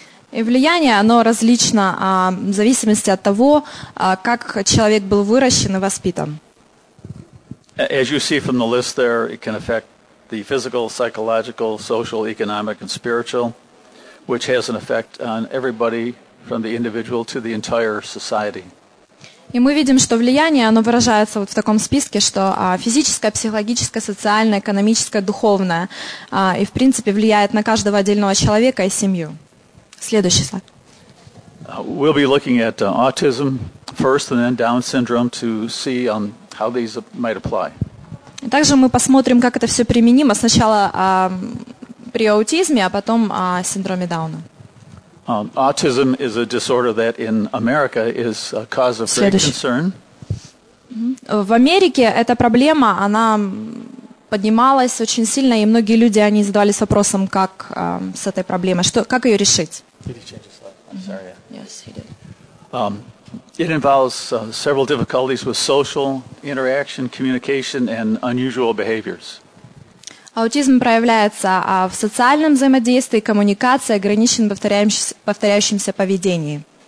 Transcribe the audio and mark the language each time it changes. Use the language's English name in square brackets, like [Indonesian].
[Russian] И влияние, оно различно в зависимости от того, как человек был выращен и воспитан. [English] As you see from the list there, it can affect the physical, psychological, social, economic, and spiritual, which has an effect on everybody from the individual to the entire society. [Russian] И мы видим, что влияние, оно выражается вот в таком списке, что физическое, психологическое, социальное, экономическое, духовное, и в принципе влияет на каждого отдельного человека и семью. Следующий слайд. [English] We'll be looking at autism first and then Down syndrome to see how these might apply. [Russian] И также мы посмотрим, как это все применимо сначала при аутизме, а потом о синдроме Дауна. [English] Autism is a disorder that in America is a cause of great concern. [Russian] В Америке эта проблема, она поднималась очень сильно, и многие люди, они задавались вопросом, как с этой проблемой, как ее решить. [English] It involves several difficulties with social interaction, communication, and unusual behaviors. [Russian] Аутизм проявляется в социальном взаимодействии, коммуникации, ограниченном повторяющемся поведении.